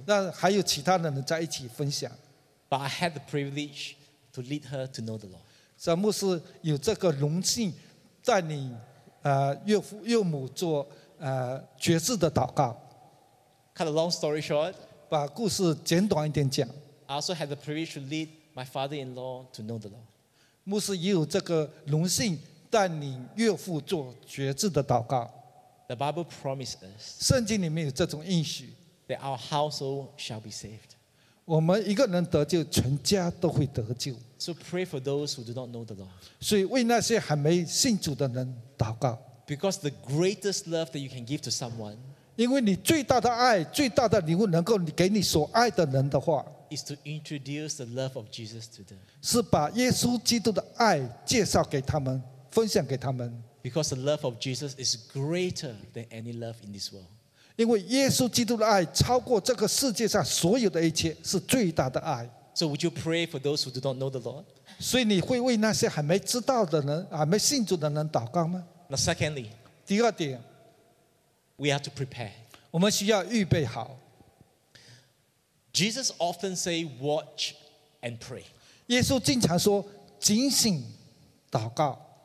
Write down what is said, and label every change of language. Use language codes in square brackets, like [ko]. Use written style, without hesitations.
[zh] 那还有其他的人在一起分享。 [en] But I had the privilege to lead her to know the Lord. [zh] 所以牧师有这个荣幸带领岳父岳母做爵士的祷告。 [en] Cut a long story short. [zh] 把故事简短一点讲。 [en] I also had the privilege to lead my father-in-law to know the Lord. [zh] 牧师也有这个荣幸带领岳父做爵士的祷告。 [en] The Bible promises us [zh] 圣经里面有这种应许 [en] that our household shall be saved. [zh] 我们一个人得救，全家都会得救。 [en] So pray for those who do not know the Lord. [zh] 所以为那些还没信主的人祷告。 [en] Because the greatest love that you can give to someone [zh] 因为你最大的爱，最大的礼物能够给你所爱的人的话 [en] is to introduce the love of Jesus to them. [zh] 是把耶稣基督的爱介绍给他们，分享给他们。 [en] Because the love of Jesus is greater than any love in this world. [zh] 因为耶稣基督的爱超过这个世界上所有的一切，是最大的爱。 [en] So would you pray for those who do not know the Lord? [zh] 所以你会为那些还没知道的人，还没信主的人祷告吗？ [en] Now secondly, [zh] 第二点， [en] we have to prepare. [zh] 我们需要预备好。 [en] Jesus often say, "Watch and pray." [zh] 耶稣经常说，警醒祷告。